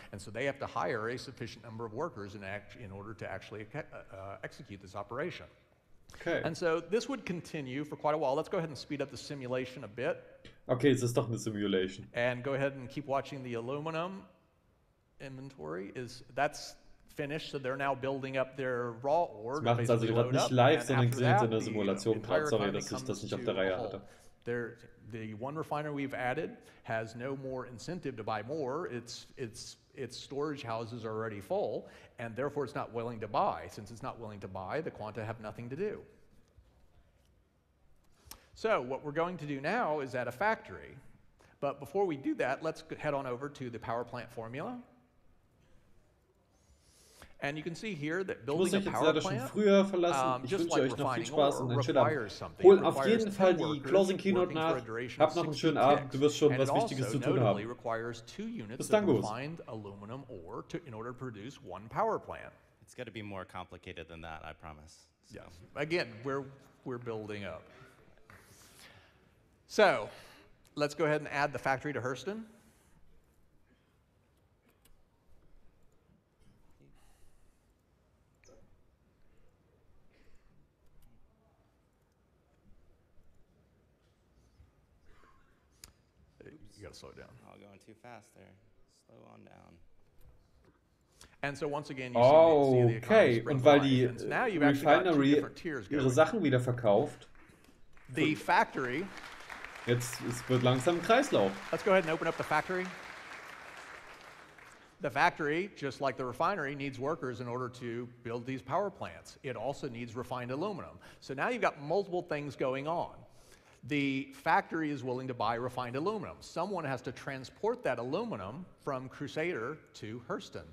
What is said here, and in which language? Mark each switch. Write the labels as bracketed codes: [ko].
[en] And so they have to hire a sufficient number of workers in order to actually execute this operation. Okay. And so this would continue for quite a while. Let's go ahead and speed up the simulation a bit. Okay, it's [de] doch eine Simulation. [en] And go ahead and keep watching the aluminum inventory. That's finished, so they're now building up their raw ore. [de] Sie machen es also gerade nicht live, sondern sind in der Simulation gerade. Sorry, dass ich das nicht auf der Reihe hatte. [en] The one refiner we've added has no more incentive to buy more. Its storage houses are already full, and therefore it's not willing to buy. Since it's not willing to buy, the quanta have nothing to do. So what we're going to do now is add a factory. But before we do that, let's head on over to the power plant formula. And you can see here that building a power plant, [de] schon früher verlassen. Ich wünsche euch noch viel Spaß und einen schönen Abend. Hol auf jeden Fall die Closing Keynote nach. Hab noch einen schönen Abend. Du wirst schon was Wichtiges zu tun haben. Bis dann, Gus. [en] Find aluminum ore to, in order to produce one power plant. It's got to be more complicated than that, I promise. So. Yeah. Again, we're building up. So, let's go ahead and add the factory to Hurston. Slow down. Oh, going too fast there. Slow on down. And so once again, you see the okay. [de] Und weil die Refinery ihre Sachen wieder verkauft. [en] The factory. [de] Jetzt wird langsam ein Kreislauf. [en] Let's go ahead and open up the factory. The factory, just like the refinery, needs workers in order to build these power plants. It also needs refined aluminum. So now you've got multiple things going on. The factory is willing to buy refined aluminum. Someone has to transport that aluminum from Crusader to Hurston.